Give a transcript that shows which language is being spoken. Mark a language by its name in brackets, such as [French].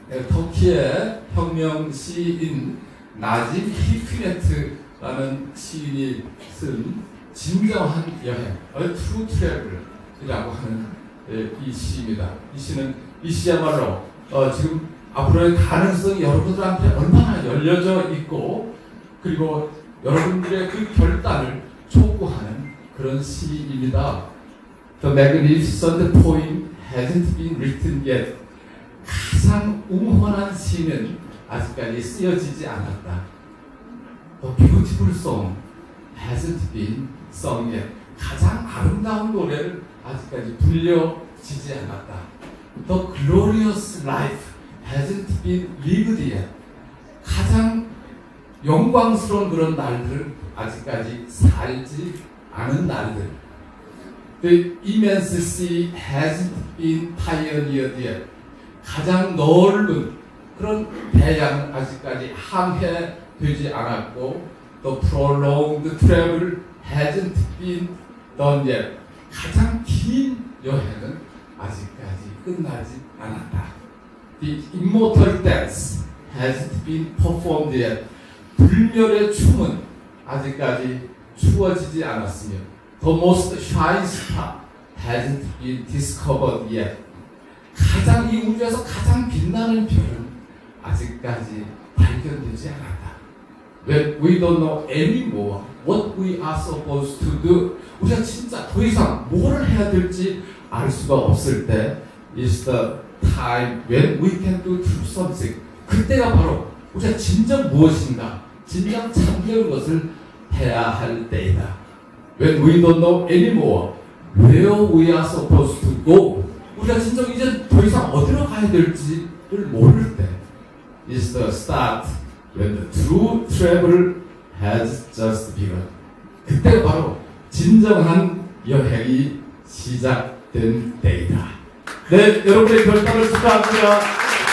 [Korean] 터키의 혁명 시인 나짐 히크네트라는 시인이 쓴 진정한 여행, A True Travel이라고 하는 이 시입니다. 이 시는 이 시야말로 지금 앞으로의 가능성이 여러분들한테 얼마나 열려져 있고 그리고 여러분들의 그 결단을 촉구하는 그런 시입니다. [English] The magnificent poem hasn't been written yet. [Korean] 가장 웅원한 시는 아직까지 쓰여지지 않았다. [English] The beautiful song hasn't been sung yet. [Korean] 가장 아름다운 노래를 아직까지 불려지지 않았다. [English] The glorious life hasn't been lived yet. [Korean] 가장 영광스러운 그런 날들을 아직까지 살지 않은 날들. [English] The immense sea hasn't been pioneered yet. [Korean] 가장 넓은 그런 대양은 아직까지 항해되지 않았고 [English] The prolonged travel hasn't been done yet. [Korean] 가장 긴 여행은 아직까지 끝나지 않았다. [English] The immortal dance hasn't been performed yet. [Korean] 불멸의 춤은 아직까지 추워지지 않았으며 [English] The most shy star hasn't been discovered yet. [Korean] 가장 이 우주에서 가장 빛나는 별은 아직까지 발견되지 않았다. [English] When we don't know anymore what we are supposed to do. [Korean] 우리가 진짜 더 이상 뭘 해야 될지 알 수가 없을 때 [English] is the time when we can do true something. [Korean] 그때가 바로 우리가 진정 무엇인가 진정 참된 것을 해야 할 때이다. [English] When we don't know anymore where we are supposed to go. [Korean] 우리가 진정 이제 더 이상 어디로 가야 될지를 모를 때 [English] is the start when the true travel has just begun. [Korean] 그때가 바로 진정한 여행이 시작된 때이다. 네, 여러분의 결단을 축하합니다.